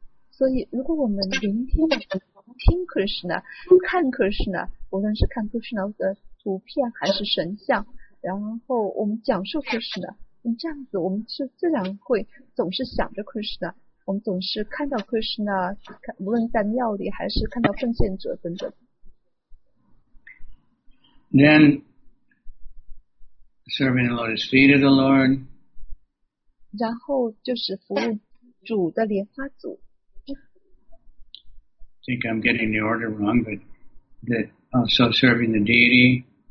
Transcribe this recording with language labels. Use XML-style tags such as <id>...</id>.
<zh>所以如果我们聆听听 Krishna, 看 Krishna, 无论是看 Krishna 的图片还是神像，然后我们讲述 Krishna, 这样子我们是自然会总是想着 Krishna, 我们总是看到 Krishna, 无论在庙里还是看到奉献者等等。</zh> <en>Then serving the Lord's feet of the Lord,</en> <zh>然后就是服务主的莲花组。</zh> <en>I think I'm getting the order wrong, but that also serving the deity.</en>